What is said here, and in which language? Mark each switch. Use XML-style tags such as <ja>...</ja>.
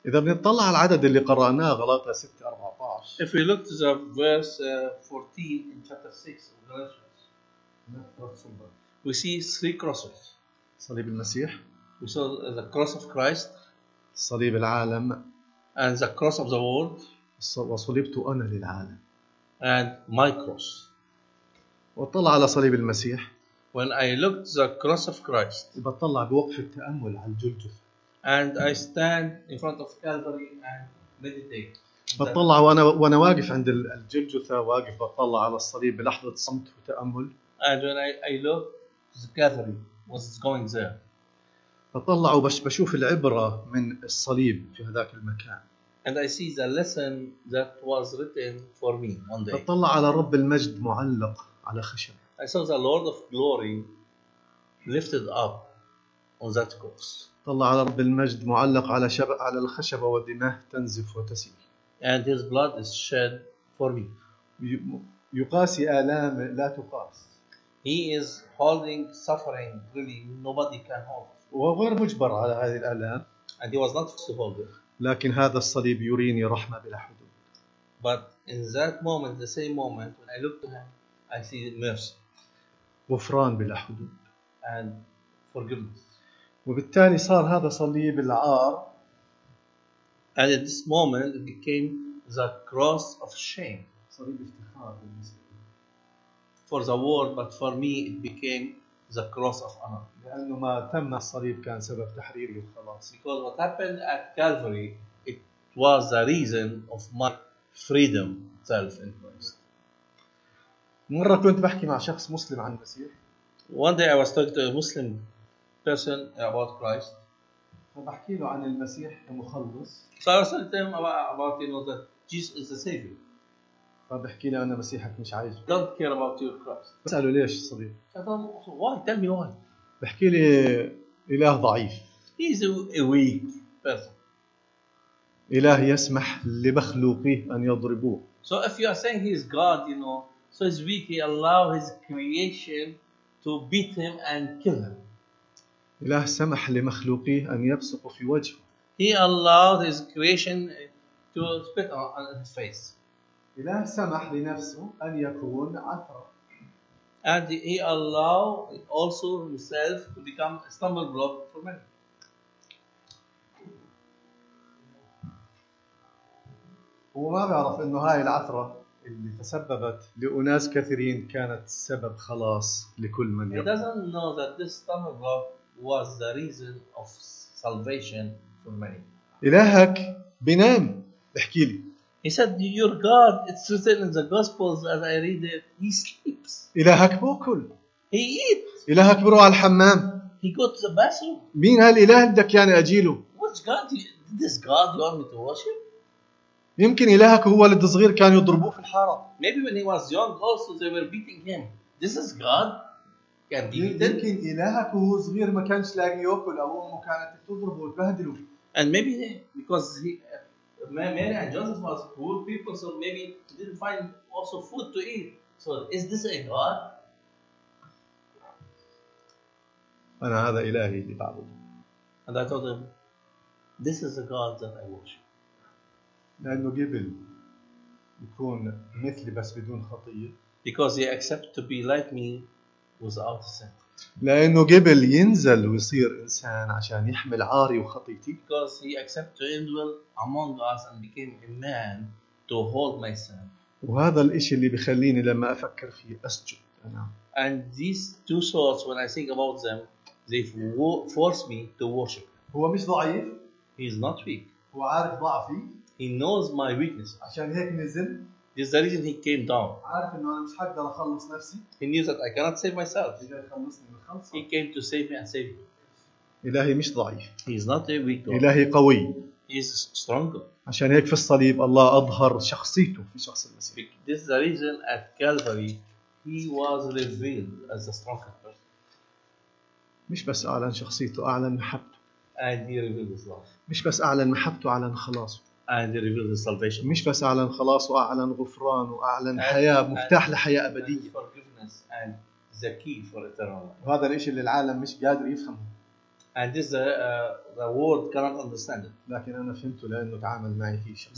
<ar>إذا بنطلع على العدد اللي قرأناه غلاطة 6:14.</ar> <en>If we look to the verse 14 in chapter 6 of Galatians, we see three crosses.</en> <ar>صليب المسيح.</ar> <en>We saw the cross of Christ.</en> <ar>صليب العالم.</ar> <en>And the cross of the world.</en> <ar>وصليبت أنا للعالم.</ar> <en>And my cross.</en> <ar>وطلع على صليب المسيح.</ar> <en>When I looked the cross of Christ.</en> <ar>بطلع بوقف التأمل على الجلجث.</ar> <en>And I stand in front of Calvary and meditate.</en> <ar>بطلع وأنا واقف عند الجلجثة واقف بطلع على الصليب بلحظة صمت وتأمل.</ar> <en>And when I look to the Calvary, what's going there?</en> <ar>بطلع وبشوف العبرة من الصليب في هذاك المكان.</ar> <en>And I see the lesson that was written for me one day.</en> <ar>بطلع على رب المجد معلق على خشب.</ar> <en>I saw the Lord of Glory lifted up on that cross.</en> <ar>طلع على رب المجد معلق على شبك على الخشب ودمه تنزف وتسيل.</ar> <en>And His blood is shed for me.</en> <ar>يقاسي آلام لا تقاس.</ar> <en>He is holding suffering really nobody can hold.</en> <ar>وغير مجبر على هذه الآلام.</ar> <en>And He was not forced to hold it.</en> <ar>لكن هذا الصليب يريني رحمة بلا حدود.</ar> <en>But in that moment, the same moment when I look to him, I see mercy.</en> <ar>غفران بلا حدود.</ar> <en>And forgiveness.</en> <ar>وبالتالي صار هذا صليب العار.</ar> <en>And at this moment, it became the cross of shame.</en> <ar>صليب افتخار</ar> <en>for the world, but for me, it became the cross of honor.</en> <ar>لأنه ما تم الصليب كان سبب تحريري وخلاص.</ar> <en>Because what happened at Calvary, it was the reason of my freedom itself in Christ.</en> <ar>مرة كنت بحكي مع شخص مسلم عن المسيح.</ar> <en>One day I was talking to a Muslim person about Christ.</en> <ar>فبحكي له عن المسيح المخلص.</ar> <en>So I was telling him about you know that Jesus is the Savior.</en> <ar>فبحكي له انا مسيحك مش عايز.</ar> <en>Don't care about your cross.</en> <ar>بساله ليش صديق؟</ar> <en>Why? Tell me why.</en> <ar>بحكي لي اله ضعيف.</ar> <en>He's a weak person.</en> <ar>اله يسمح لمخلوقه ان يضربوه.</ar> <en>So if you are saying he's God, you know, so he's weak, he allow his creation to beat him and kill him.</en> <ar>اله سمح لمخلوقه ان يبصق في وجهه.</ar> <en>He allowed his creation to spit on his face.</en> <ar>إله سمح لنفسه أن يكون عثرة.</ar> <en>And he allowed also himself to become a stumble block for men.</en> <ar>هو ما بيعرف إنه هاي العثرة اللي تسببت لأناس كثيرين كانت سبب خلاص لكل من يبقى.</ar> <en>He doesn't know that this stumble block was the reason of salvation for many.</en> <ar>إلهك بنام بحكي لي.</ar> <en>He said, "Your God, it's written in the Gospels as I read it. He sleeps."</en> <ar>إلهك بأكل.</ar> <en>He eats.</en> <ar>إلهك بروح على الحمام.</ar> <en>He goes to the bathroom.</en> <ar>مين هالإله بدك يعني أجيله؟</ar> <en>What God? This God you want me to worship?</en> <ar>يمكن إلهك هو اللي الصغير كان يضربوه في الحارة.</ar> <en>Maybe when he was young, also they were beating him. This is God. Can be beaten.</en> <ar>يمكن إلهك وهو صغير ما كانش لاقي يأكل أو أمه كانت تضربه وتبهدله.</ar> <en>And maybe he, because he. Mary and Joseph was poor people, so maybe they didn't find also food to eat. So is this a God?</en> <ar>أنا هذا إلهي اللي بعبده.</ar> <en>And I told him, this is a God that I worship.</en> <ar>لأنه قبل يكون مثلي بس بدون خطية.</ar> <en>Because he accepted to be like me without sin.</en> <ar>لأنه قبل ينزل ويصير إنسان عشان يحمل عاري وخطيتي.</ar> <en>Because he accepted to indwell among us and became a man to hold my sin.</en> <ar>وهذا الإشي اللي بخليني لما أفكر فيه أسجد أنا.</ar> <en>And these two thoughts, when I think about them, they force me to worship.</en> <ar>هو مش ضعيف.</ar> <en>He is not weak.</en> <ar>هو عارف ضعفي.</ar> <en>He knows my weakness.</en> <ar>عشان هيك نزل.</ar> <en>This is the reason he came down.</en> <ar>عارف إنه أنا مش حقدر أخلص نفسي.</ar> <en>He knew that I cannot save myself.</en> <ar>إذا خلصني من خلصه.</ar> <en>He came to save me and save you.</en> <ar>إلهي مش ضعيف.</ar> <en>He is not a weak God.</en> <ar>إلهي قوي.</ar> <en>He is stronger.</en> <ar>عشان هيك في الصليب الله أظهر شخصيته في شخص المسيح.</ar> <en>This is the reason at Calvary he was revealed as a stronger person.</en> <ar>مش بس أعلن شخصيته أعلن محبته.</ar> <en>And he revealed his love.</en> <ar>مش بس أعلن محبته أعلن خلاصه.</ar> <en>And he revealed his salvation.</en> <ar>مش بس أعلن خلاص وأعلن غفران وأعلن حياة مفتاح لحياة أبدية.</ar> <en>And forgiveness and the key for eternal life.</en> <ar>وهذا الإشي اللي العالم مش قادر يفهمه.</ar> <en>And this the world cannot understand it.</en> <ar>لكن أنا فهمته لأنه تعامل معي في شخص.</ar>